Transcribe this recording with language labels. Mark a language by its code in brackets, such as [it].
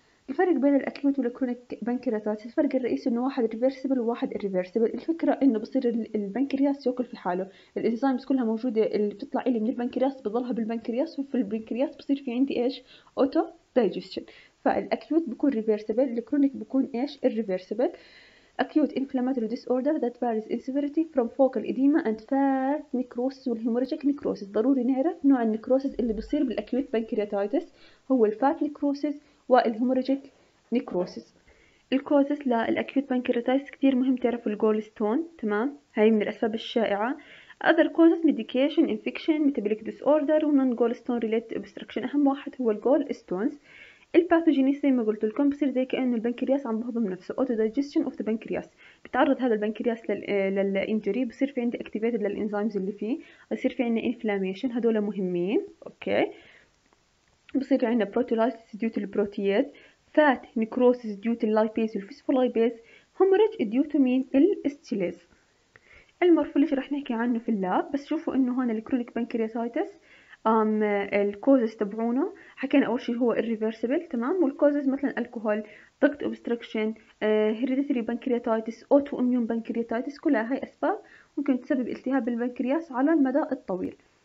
[ar] الفرق بين الاكيوت والكرونيك بنكرياتات، الفرق الرئيسي انه واحد ريفرسبل وواحد ريفرسبل. الفكره انه بصير البنكرياس ياكل في حاله، الانزيمز كلها موجوده اللي بتطلع الي من البنكرياس بتضلها بالبنكرياس، وفي البنكرياس بصير في عندي ايش اوتو دايجستشن. فالاكيوت بيكون ريفرسبل، الكرونيك بيكون ايش ريفرسبل. [en] Acute inflammatory disorder that varies in severity from focal edema and fat necrosis and hemorrhagic necrosis. [ar] ضروري نعرف نوع النكروسيس اللي بصير بالأكيوت بانكرياتيتس، هو الفات نكروسيس والهيموراجيك نكروسيس. الكوزيس للأكيوت بانكرياتيتس كتير مهم تعرف الجول ستون، تمام؟ هاي من الأسباب الشائعة. [en] Other causes medication, infection, metabolic disorder and non-gall stone related obstruction. [ar] أهم واحد هو الجول ستونز. الباثوجينيس زي ما قلت لكم بصير زي كأنه البنكرياس عم بهضم نفسه، [en] auto digestion of the pancreas، [ar] بتعرض هذا البنكرياس للانجري، بصير في عندي activated للإنزيمز اللي فيه، بصير في عندنا inflammation، هدول مهمين، اوكي. بصير في عندنا [en] proteolysis due to the protease، fat necrosis due to the lipase [ar] والphospholipase، hemorrhage due to mean الاستيلاز. المورفولوجي رح نحكي عنه في اللاب، بس شوفوا انه هون الكرونيك بنكرياتيتس الكوزز تبعونه حكينا اول شيء هو الريفرسبل، تمام. والكوزز مثلا الكحول، ضغط اوبستراكشن، هيريديتري بنكرياتيتس، اوتو اميون بنكرياتيتس، كلها هاي اسباب ممكن تسبب التهاب البنكرياس على المدى الطويل.